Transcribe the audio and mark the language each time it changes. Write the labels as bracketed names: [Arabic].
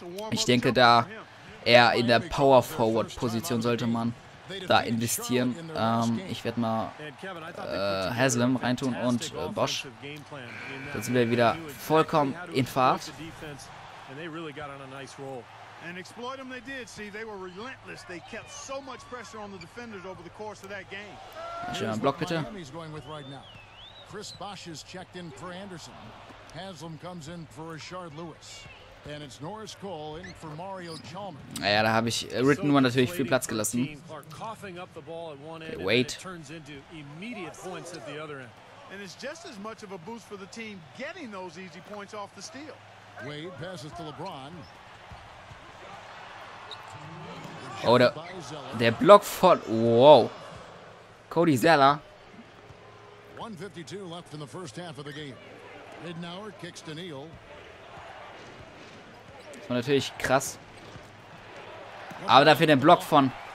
[German] Ich denke, da eher in der Power-Forward-Position sollte man da investieren. Ich werde mal Haslem reintun und Bosch. Dann sind wir wieder vollkommen in Fahrt. [English] And exploit them they did. See, they were relentless. They kept so much pressure on the defenders over the course of that game. [German] Schön Block bitte. [English] Miami's going with right now. Chris Bosh has checked in for Anderson. Haslem comes in for Rashard Lewis. And it's Norris Cole in for Mario Chalmers. [German] Naja, da habe ich Ritten nur natürlich viel Platz gelassen. [English] Okay, wait. Turns into immediate points at the other end. And it's just as much of a boost for the team getting those easy points off the steal. Wade passes to LeBron. [German] Oder der Block von. Wow. Cody Zeller. [English] 152 left in the first half of the game. Hidenauer kicks to Neal. [German] Das war natürlich krass. Aber dafür den Block von.